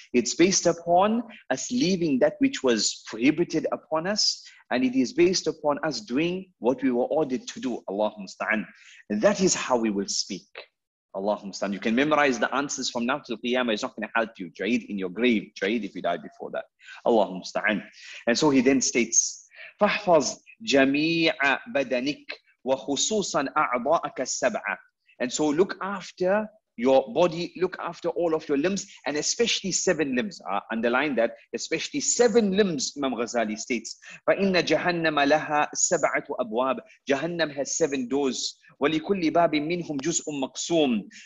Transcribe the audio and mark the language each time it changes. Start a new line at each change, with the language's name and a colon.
English: It's based upon us leaving that which was prohibited upon us. And it is based upon us doing what we were ordered to do. Allahumma sta'an. That is how we will speak. Allahumma sta'an. You can memorize the answers from now till Qiyamah. It's not going to help you. Jayid, in your grave. Jayid, if you die before that. Allahumma sta'an. And so he then states,
Arabic: فَحْفَظْ جَمِيعَ بَدَنِكَ وَخُصُوصًا أَعْضَاءَكَ السَّبْعَ.
English: And so look after your body, look after all of your limbs, and especially seven limbs. I underline that, especially seven limbs, Imam Ghazali states.
Arabic: فَإِنَّ جَهَنَّمَ لَهَا سَبْعَةُ أَبْوَابِ.
English: Jahannam has seven doors.
Arabic: وَلِكُلِّ بَابٍ مِّنْهُمْ جُزْءٌ مَقْسُومٌ.